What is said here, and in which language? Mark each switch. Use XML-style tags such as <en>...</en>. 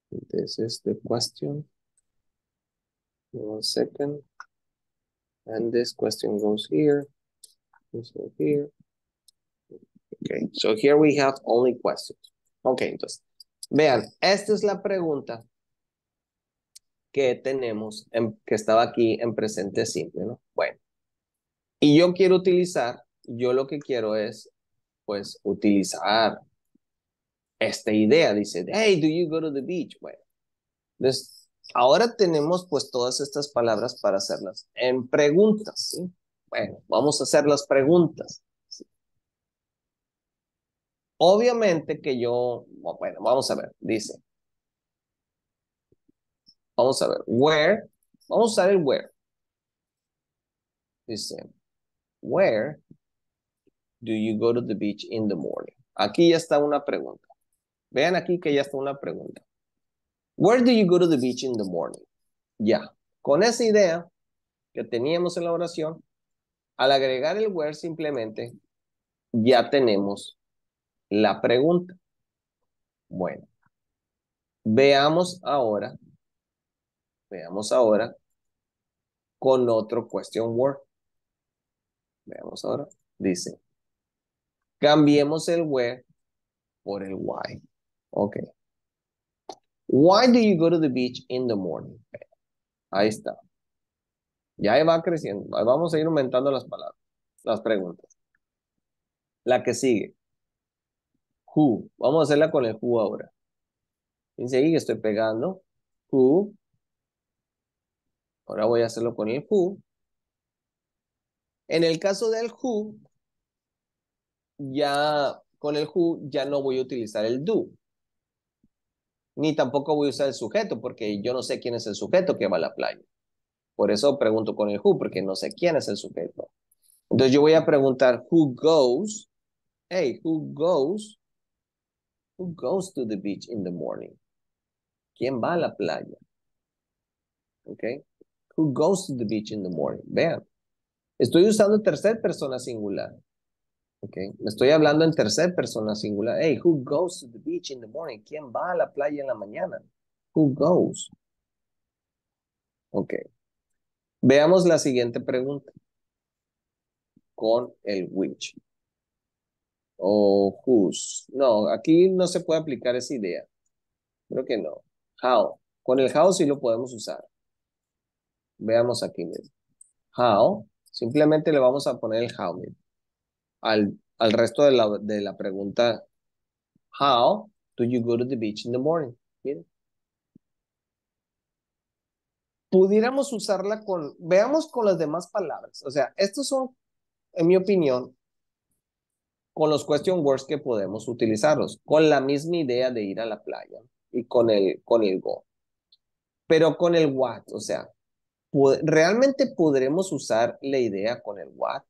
<en>This is the question. 1 second. And this question goes here. This goes here. Okay, so here we have only questions.</en> <es>Okay, entonces, vean, esta es la pregunta que tenemos, que estaba aquí en presente simple, ¿no? Bueno, y yo quiero utilizar, yo lo que quiero es, pues, utilizar esta idea. Dice,</es> <en>hey, do you go to the beach?</en> <es>Bueno, entonces, ahora tenemos pues todas estas palabras para hacerlas en preguntas, ¿sí? Bueno, vamos a hacer las preguntas. Obviamente que yo, bueno, vamos a ver, dice. Vamos a ver, where, vamos a usar el where. Dice,</es> <en>where do you go to the beach in the morning?</en> <es>Aquí ya está una pregunta. Vean aquí que ya está una pregunta.</es> <en>Where do you go to the beach in the morning?</en> <es>Ya. Con esa idea que teníamos en la oración, al agregar el where simplemente, ya tenemos la pregunta. Bueno, veamos ahora con otro question word. Veamos ahora. Dice, cambiemos el where por el why. Ok.</es> <en>Why do you go to the beach in the morning?</en> <es>Ahí está. Ya va creciendo. Vamos a ir aumentando las palabras, las preguntas. La que sigue. Who. Vamos a hacerla con el who ahora. Dice ahí que estoy pegando. Who. Ahora voy a hacerlo con el who. En el caso del who, ya con el who ya no voy a utilizar el do. Ni tampoco voy a usar el sujeto porque yo no sé quién es el sujeto que va a la playa. Por eso pregunto con el who, porque no sé quién es el sujeto. Entonces yo voy a preguntar,</es> <en>who goes? Hey, who goes? Who goes to the beach in the morning?</en> <es>¿Quién va a la playa?</es> <en>Okay. Who goes to the beach in the morning?</en> <es>Vean. Estoy usando tercera persona singular. Okay. Me estoy hablando en tercera persona singular.</es> <en>Hey, who goes to the beach in the morning?</en> <es>¿Quién va a la playa en la mañana?</es> <en>Who goes?</en> <es>Okay. Veamos la siguiente pregunta. Con el which. O whose. No, aquí no se puede aplicar esa idea. Creo que no. How. Con el how sí lo podemos usar. Veamos aquí mismo. How. Simplemente le vamos a poner el how. Al resto de la pregunta.</es> <en>How do you go to the beach in the morning?</en> <es>Miren. Pudiéramos usarla con... Veamos con las demás palabras. O sea, estos son, en mi opinión, con los question words que podemos utilizarlos. Con la misma idea de ir a la playa. Y con el go. Pero con el what, o sea, ¿realmente podremos usar la idea con el what?</es>